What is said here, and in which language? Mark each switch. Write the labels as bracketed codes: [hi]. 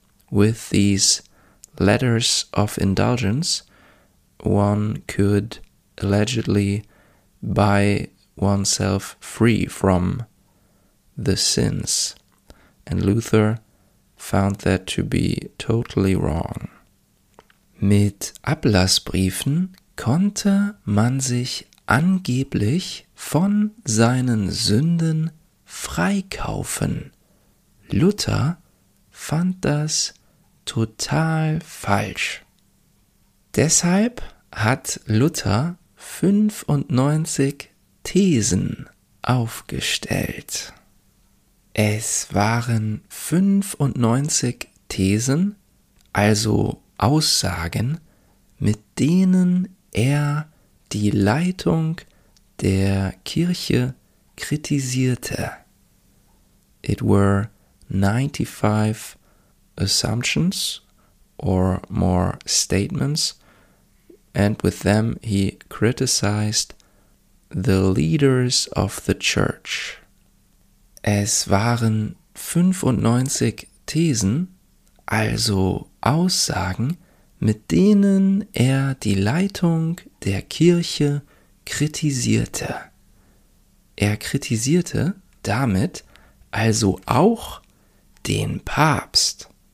[en] With these letters of indulgence, one could allegedly buy oneself free from the sins. And Luther found that to be totally wrong. [de] Mit Ablassbriefen konnte man sich angeblich von seinen Sünden freikaufen. Luther fand das total falsch. Deshalb hat Luther 95 Thesen aufgestellt. Es waren 95 Thesen, also Aussagen, mit denen er die Leitung der Kirche kritisierte. [en] It were 95 assumptions or more statements, and with them he criticized the leaders of the church. [de] Es waren 95 Thesen, also Aussagen, mit denen er die Leitung der Kirche kritisierte. Er kritisierte damit also auch den Papst.